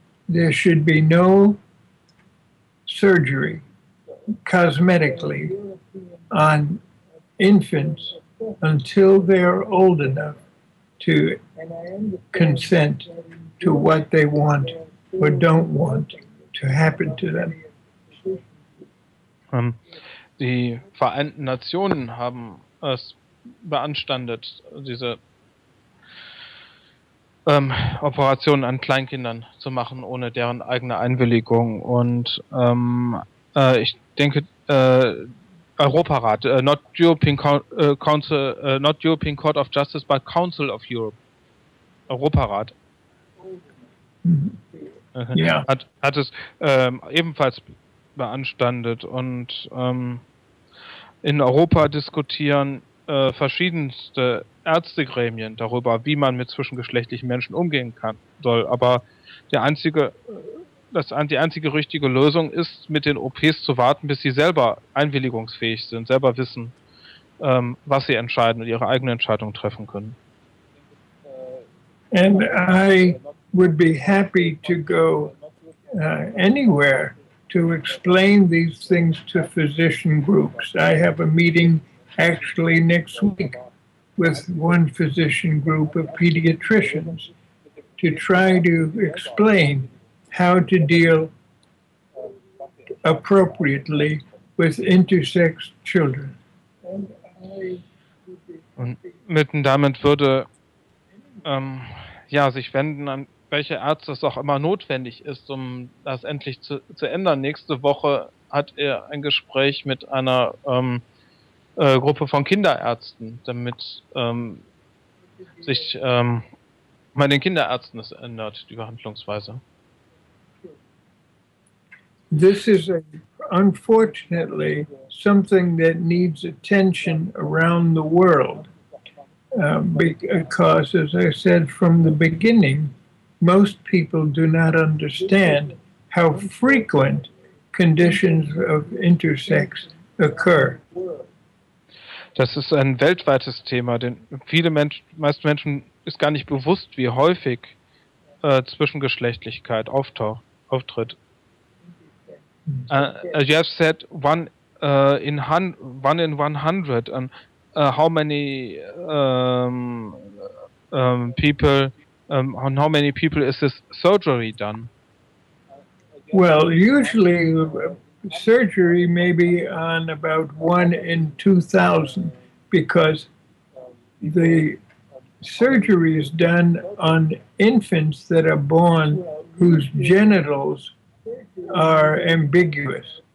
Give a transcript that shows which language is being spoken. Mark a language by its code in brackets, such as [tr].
[en] there should be no surgery cosmetically on infants until they're old enough to consent to what they want or don't want to happen to them. [de] Die Vereinten Nationen haben es beanstandet, diese Operationen an Kleinkindern zu machen, ohne deren eigene Einwilligung. Und ich denke, Europarat, [en] not European Court of Justice, but Council of Europe, [de] Europarat, hat es ebenfalls beanstandet. Und in Europa diskutieren verschiedenste Ärztegremien darüber, wie man mit zwischengeschlechtlichen Menschen umgehen kann soll. Aber die einzige richtige Lösung ist, mit den OPs zu warten, bis sie selber einwilligungsfähig sind, selber wissen, was sie entscheiden und ihre eigene Entscheidung treffen können. [en] And I would be happy to go anywhere to explain these things to physician groups. I have a meeting actually next week with one physician group of pediatricians to try to explain how to deal appropriately with intersex children. [de] Und mitten damit würde sich wenden an welche Ärzte es auch immer notwendig ist, um das endlich zu ändern. Nächste Woche hat er ein Gespräch mit einer Gruppe von Kinderärzten, damit bei den Kinderärzten es ändert, die Behandlungsweise. [en] This is unfortunately something that needs attention around the world. Because, as I said from the beginning, most people do not understand how frequent conditions of intersex occur. [de] Das ist ein weltweites Thema, denn meisten Menschen ist gar nicht bewusst, wie häufig Zwischengeschlechtlichkeit auftritt. [en] You have said one in 100, and how many people on how many people is this surgery done? Well, usually surgery may be on about 1 in 2,000, because the surgery is done on infants that are born whose genitals are ambiguous.